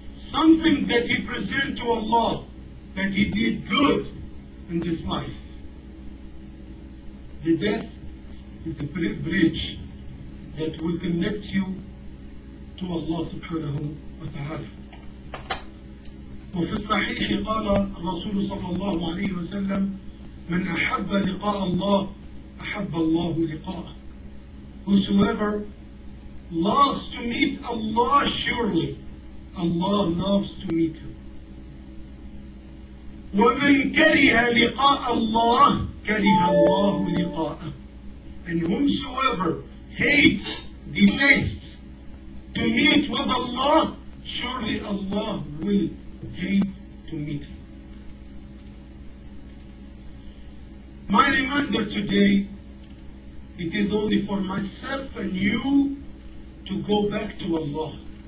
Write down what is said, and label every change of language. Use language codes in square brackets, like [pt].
[en] Something that he presented to Allah, that he did good in this life. The death is the bridge that will connect you to Allah subhanahu wa ta'ala. [ar] وفي الصحيح قال الرسول صلى الله عليه وسلم من أحب لقاء الله أحب الله لقاءه. [en] Whosoever loves to meet Allah, surely Allah loves to meet him. [ar] ومن كره لقاء الله كره الله لقاءه. [en] And whosoever hates, detests to meet with Allah, surely Allah will to meet. My reminder today, it is only for myself and you to go back to Allah.